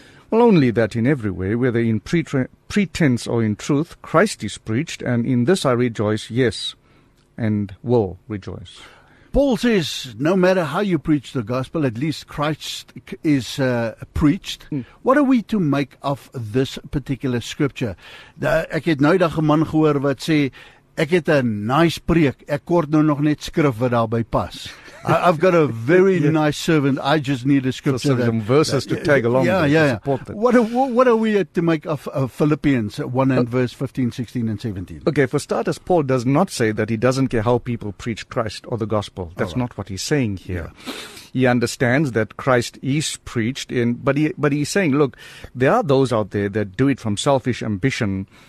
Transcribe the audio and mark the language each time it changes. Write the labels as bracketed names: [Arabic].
[English] Well, only that in every way, whether in pretense or in truth, Christ is preached, and in this I rejoice, yes, and will rejoice. Paul says, no matter how you preach the gospel, at least Christ is preached. Mm. What are we to make of this particular scripture? [Afrikaans] Ek het nou daag 'n man gehoor wat sê, ek het 'n nice preek. Ek kort nou nog net skrif wat daarby pas. [English] I've got a very nice sermon. I just need a scripture. So some verses to tag along to support that. What are we to make of Philippians 1 and verse 15, 16 and 17? Okay, for starters, Paul does not say that he doesn't care how people preach Christ or the gospel. That's not what he's saying here. Yeah. He understands that Christ is preached in, but he's saying, look, there are those out there that do it from selfish ambition.